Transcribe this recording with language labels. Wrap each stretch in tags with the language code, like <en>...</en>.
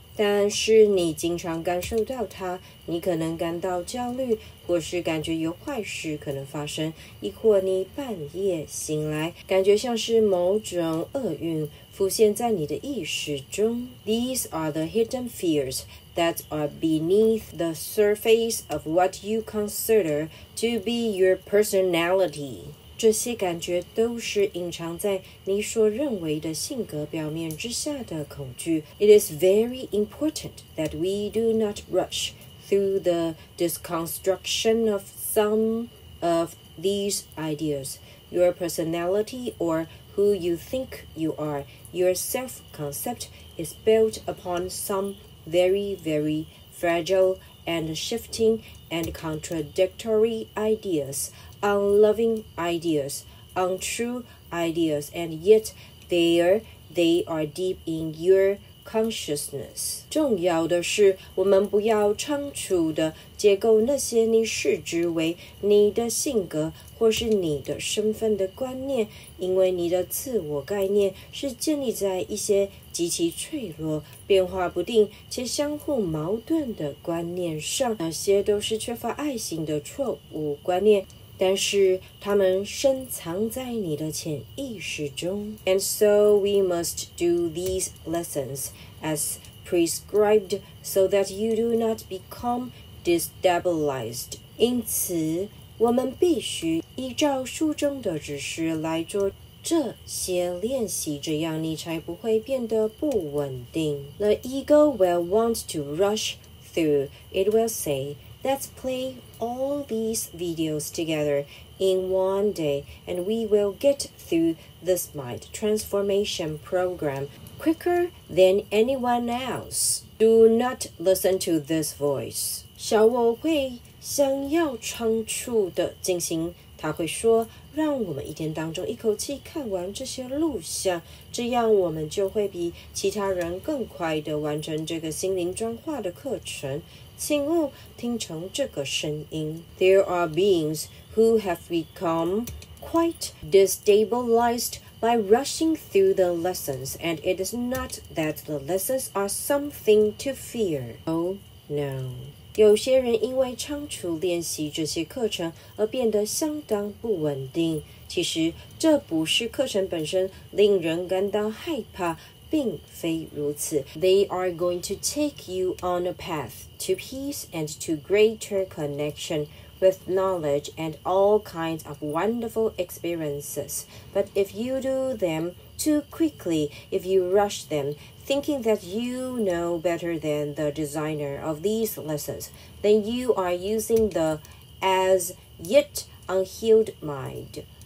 <zh>但是你经常感受到它，你可能感到焦虑，或是感觉有坏事可能发生，亦或你半夜醒来，感觉像是某种厄运浮现在你的意识中。</zh> <en>These are the hidden fears that are beneath the surface of what you consider to be your personality.</en> <zh>这些感觉都是隐藏在你所认为的性格表面之下的恐惧。</zh> <en>It is very important that we do not rush through the deconstruction of some of these ideas. Your personality or who you think you are, your self-concept is built upon some very, very fragile and shifting and contradictory ideas. Unloving ideas, untrue ideas, and yet there they are deep in your consciousness.</en> <zh>重要的是，我们不要仓促地解构那些你视之为你的性格或是你的身份的观念，因为你的自我概念是建立在一些极其脆弱、变化不定且相互矛盾的观念上。那些都是缺乏爱心的错误观念。但是他们深藏在你的潜意识中。</zh> <en>And so we must do these lessons as prescribed so that you do not become destabilized.</en> <zh>因此我们必须依照书中的指示来做这些练习，这样你才不会变得不稳定。</zh> <en>The ego will want to rush through. It will say,Let's play all these videos together in one day, and we will get through this mind transformation program quicker than anyone else. Do not listen to this voice.</en> <zh>小我会想要仓促地进行，他会说，让我们一天当中一口气看完这些录像，这样我们就会比其他人更快地完成这个心灵转化的课程。请勿听从这个声音。</zh> <en>There are beings who have become quite destabilized by rushing through the lessons, and it is not that the lessons are something to fear. Oh, no.</en> <zh>有些人因为仓促练习这些课程而变得相当不稳定。其实，这不是课程本身令人感到害怕。并非如此。</zh> <en>They are going to take you on a path to peace and to greater connection with knowledge and all kinds of wonderful experiences. But if you do them too quickly, if you rush them, thinking that you know better than the designer of these lessons, then you are using the as yet unhealed mind.</en>